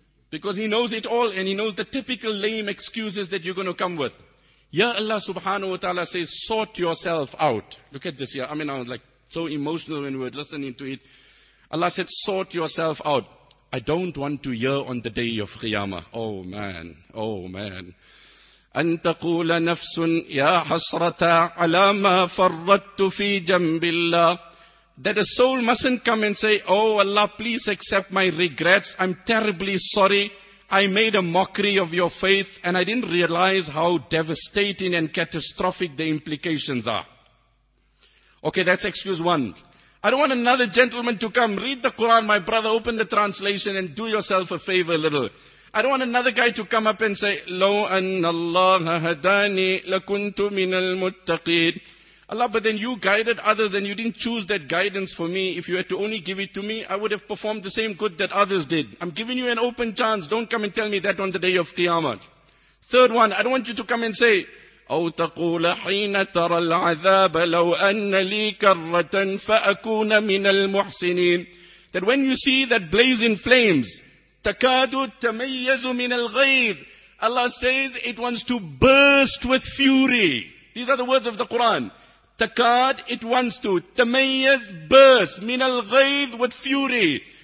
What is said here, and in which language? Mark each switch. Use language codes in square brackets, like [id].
[en] Because he knows it all and he knows the typical lame excuses that you're going to come with. Ya Allah subhanahu wa ta'ala says, sort yourself out. Look at this here. I mean, I was like so emotional when we were listening to it. Allah said, sort yourself out. I don't want to hear on the day of Qiyamah. Oh man, oh man. [ar] أن تقول نفس يا حسرة على ما فرطت في جنب الله. [en] That a soul mustn't come and say, oh Allah, please accept my regrets. I'm terribly sorry. I made a mockery of your faith and I didn't realize how devastating and catastrophic the implications are. Okay, that's excuse one. I don't want another gentleman to come. Read the Quran, my brother. Open the translation and do yourself a favor a little. I don't want another guy to come up and say, [ar] لَوْ أَنَّ اللَّهَ هَدَانِي لَكُنْتُ مِنَ الْمُتَّقِينَ. [en] Allah, but then you guided others and you didn't choose that guidance for me. If you had to only give it to me, I would have performed the same good that others did. I'm giving you an open chance. Don't come and tell me that on the day of Qiyamah. Third one, I don't want you to come and say, [ar] أَوْ تَقُولَ حِينَ تَرَى الْعَذَابَ لَوْ أَنَّ لِي كَرَّةً فَأَكُونَ مِنَ الْمُحْسِنِينَ. [en] That when you see that blaze in flames, [ar] تَكَادُ تَمَيَّزُ مِنَ الْغَيْرِ. [en] Allah says it wants to burst with fury. These are the words of the Quran. [ar] تَكَادُ, [en] it wants to. [ar] تَمَيَّزُ, [en] burst. [ar] مِنَ الْغَيْرِ, [en] with fury.